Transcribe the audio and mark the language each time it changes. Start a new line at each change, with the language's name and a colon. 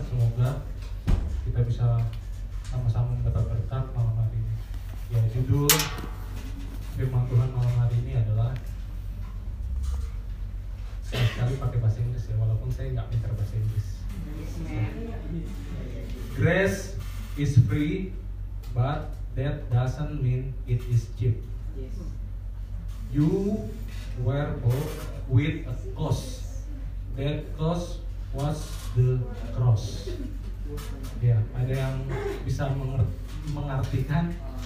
Indonesian: Semoga kita bisa sama-sama mendapat berkat malam hari ini. Ya, judul firman Tuhan malam hari ini adalah, sekali pakai bahasa Inggris ya, walaupun saya nggak pintar bahasa Inggris.
English: Grace is free, but that doesn't mean it is cheap. You were bought with a cost. That cost was the cross.
Indonesian: Ya, ada yang bisa mengartikan?